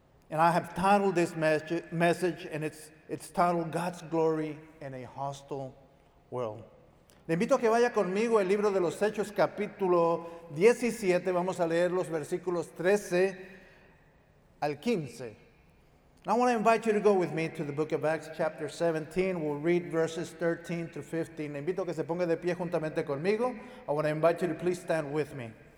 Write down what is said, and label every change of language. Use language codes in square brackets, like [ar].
[en] And I have titled this message and it's titled God's Glory in a Hostile World. [es] Le invito a que vaya conmigo al libro de los Hechos, capítulo 17. Vamos a leer los versículos 13 al 15. [en] I want to invite you to go with me to the book of Acts, chapter 17. We'll read verses 13 through 15. [es] Le invito a que se ponga de pie juntamente conmigo. [en] I want to invite you to please stand with me.